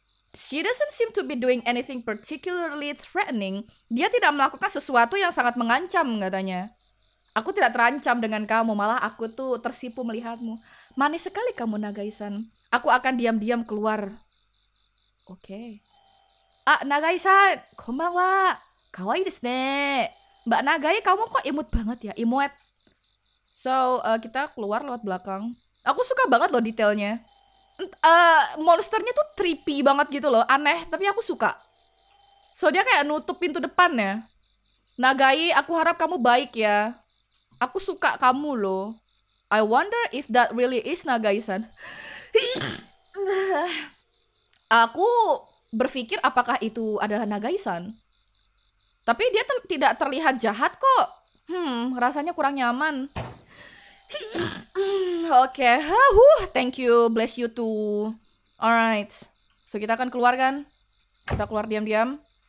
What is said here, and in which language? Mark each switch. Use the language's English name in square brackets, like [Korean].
[English] she doesn't seem to be doing anything particularly threatening. [Indonesian] Dia tidak melakukan sesuatu yang sangat mengancam, katanya. Aku tidak terancam dengan kamu, malah aku tuh tersipu melihatmu. Manis sekali kamu, Nagaisan. Aku akan diam-diam keluar. Oke. [English] Okay. Ah, Nagaisan, konbanwa. [Japanese] Kawaii desu ne. [Indonesian] Mbak Nagai, kamu kok imut banget ya? Imut. So, kita keluar lewat belakang. Aku suka banget loh detailnya. Monsternya tuh trippy banget gitu loh, aneh, tapi aku suka. So dia kayak nutup pintu depannya. Nagai, aku harap kamu baik ya. Aku suka kamu loh. [English] I wonder if that really is Nagai-san. [Indonesian] Aku berpikir apakah itu adalah Nagai-san. Tapi dia tidak terlihat jahat kok. Rasanya kurang nyaman. Oke, okay. [English] Thank you, bless you too. Alright, so [Indonesian] kita akan keluar kan? Kita keluar diam-diam.